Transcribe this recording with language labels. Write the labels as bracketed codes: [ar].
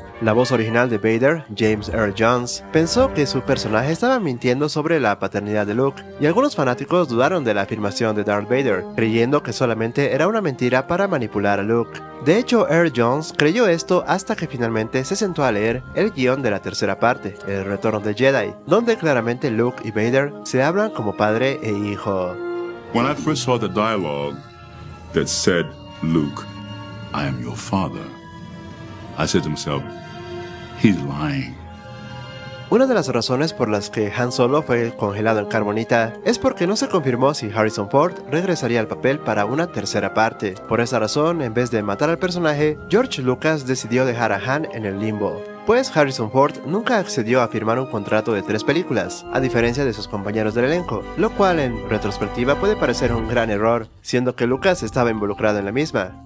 [es] La voz original de Vader, James Earl Jones, pensó que su personaje estaba mintiendo sobre la paternidad de Luke, y algunos fanáticos dudaron de la afirmación de Darth Vader, creyendo que solamente era una mentira para manipular a Luke. De hecho, Earl Jones creyó esto hasta que finalmente se sentó a leer el guión de la tercera parte, El Retorno de Jedi, donde claramente Luke y Vader se hablan como padre e hijo. [en] When I first saw the dialogue that said, Luke, I am your father, I said to myself, he's lying. [es] Una de las razones por las que Han Solo fue congelado en carbonita es porque no se confirmó si Harrison Ford regresaría al papel para una tercera parte. Por esa razón, en vez de matar al personaje, George Lucas decidió dejar a Han en el limbo. Pues Harrison Ford nunca accedió a firmar un contrato de 3 películas, a diferencia de sus compañeros del elenco, lo cual en retrospectiva puede parecer un gran error, siendo que Lucas estaba involucrado en la misma.